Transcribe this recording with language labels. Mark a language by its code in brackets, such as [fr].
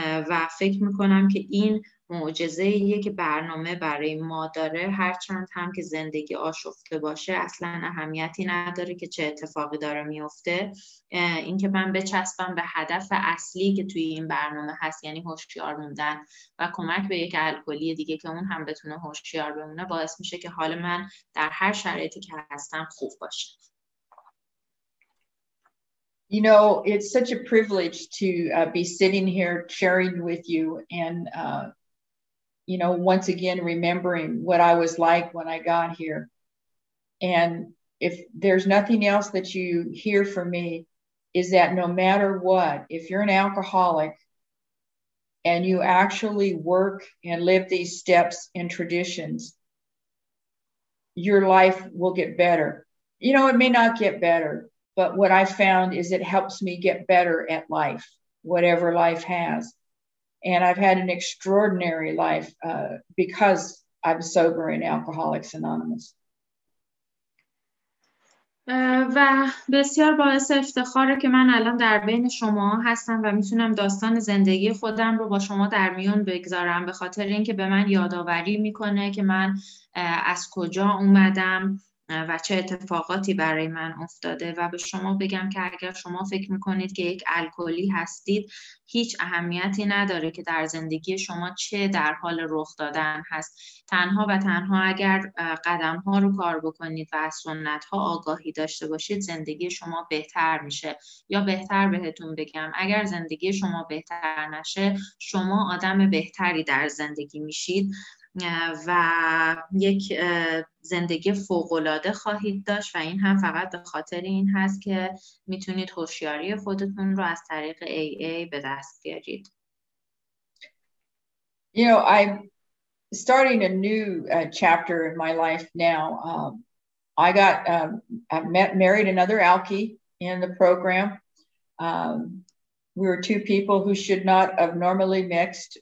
[fa] و فکر میکنم که این معجزه ایه که برنامه برای ما داره، هرچند هم که زندگی آشفته باشه اصلا اهمیتی نداره که چه اتفاقی داره میفته، اینکه من بچسبم به هدف اصلی که توی این برنامه هست، یعنی هوشیار موندن و کمک به یک الکلی دیگه که اون هم بتونه هوشیار بمونه، باعث میشه که حال من در هر شرایطی که هستم خوب باشه. [en] You know, it's such a privilege to be sitting here sharing with you and, you know, once again, remembering what I was like when I got here. And if there's nothing else that you hear from me is that no matter what, if you're an alcoholic and you actually work and live these steps and traditions, your life will get better. You know, it may not get better. But what I found is it helps me get better at life, whatever life has. And I've had an extraordinary life because I'm sober in Alcoholics Anonymous. [fa] و بسیار باعث افتخاره که من الان در بین شما هستم و میتونم داستان زندگی خودم رو با شما در میون بگذارم، به خاطر اینکه به من یادآوری میکنه که من از کجا اومدم و چه اتفاقاتی برای من افتاده و به شما بگم که اگر شما فکر میکنید که یک الکلی هستید، هیچ اهمیتی نداره که در زندگی شما چه در حال رخ دادن هست، تنها و تنها اگر قدم ها رو کار بکنید و از سنت ها آگاهی داشته باشید زندگی شما بهتر میشه، یا بهتر بهتون بگم اگر زندگی شما بهتر نشه شما آدم بهتری در زندگی میشید و یک زندگی فوق‌العاده خواهید داشت و این هم فقط به خاطر این هست که میتونید هوشیاری خودتون رو از طریق AA به دست بیارید. [en] You know, I'm starting a new chapter in my life now. I married another alkie in the program. We were two people who should not have normally mixed.